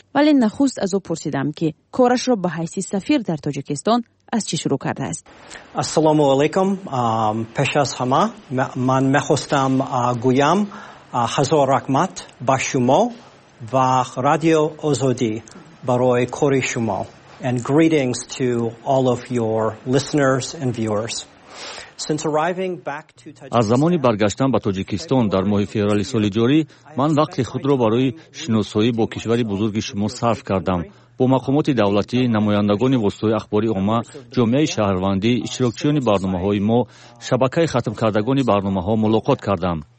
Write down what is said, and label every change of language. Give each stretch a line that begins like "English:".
Persian: ولی نخست از او پرسیدم که کارش را به حیث سفیر در تاجیکستان از چی شروع کرده است؟ السلام علیکم. پیش از همه من میخواستم گویم هزار رحمت با شما و رادیو آزادی برای کاری شما.
English: And greetings to all of your listeners and viewers. Since arriving back to Tajikistan,
Persian: از زمانی برگشتم به تاجیکستان در ماه فوریه سال جاری، من وقت خود را برای شناسایی با کشور بزرگ شما صرف کردم. با مقامات دولتی، نمایندگان واسطه اخباری عامه، جامعه شهروندی، اشتراکچیان برنامه‌های ما، شبکه ختم کردگان برنامه‌ها ملاقات کردم.